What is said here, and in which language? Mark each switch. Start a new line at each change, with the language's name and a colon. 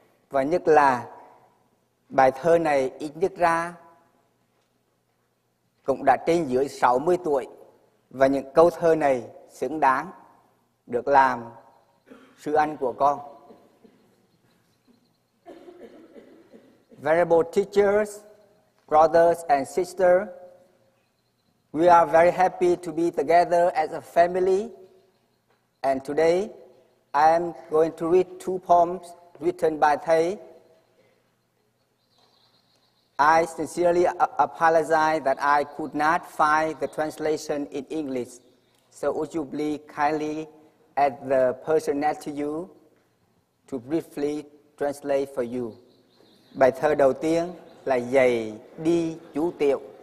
Vietnamese: Và nhất là bài thơ này ít nhất ra cũng đã trên dưới 60 tuổi, và những câu thơ này xứng đáng được làm sư anh của con.
English: Venerable teachers, brothers and sisters, we are very happy to be together as a family, and today I am going to read two poems written by Thầy. I sincerely apologize that I could not find the translation in English, so would you please kindly ask the person next to you to briefly translate for you.
Vietnamese: Bài thơ đầu tiên là Dậy đi chú tiểu.